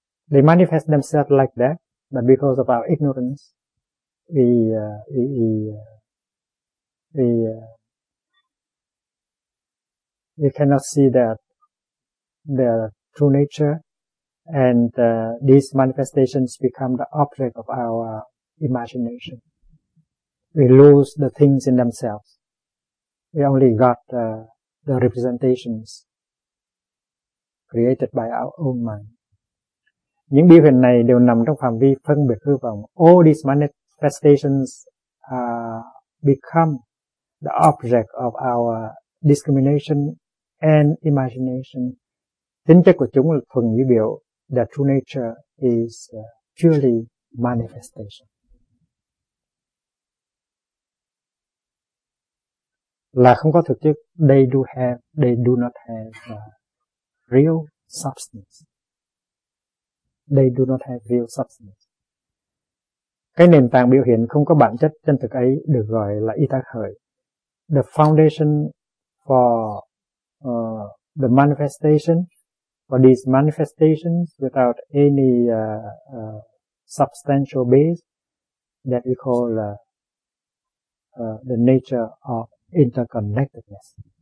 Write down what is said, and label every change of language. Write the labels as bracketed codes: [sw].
[en] They manifest themselves like that, but because of our ignorance, we cannot see that their true nature, and these manifestations become the object of our imagination. We lose the things in themselves. We only got the representations created by our own mind. [vi] Những biểu hiện này đều nằm trong phạm vi phân biệt hư vọng. [en] All these manifestations become the object of our discrimination and imagination. [vi] Tính chất của chúng là phần dữ biểu. [en] The true nature is purely manifestation. [vi] Là không có thực chất. [en] They do have, they do not have real substance. They do not have real substance. [vi] Cái nền tảng biểu hiện không có bản chất chân thực ấy được gọi là y tác khởi. [en] The foundation for the manifestation, for these manifestations without any substantial base, that we call the nature of interconnectedness.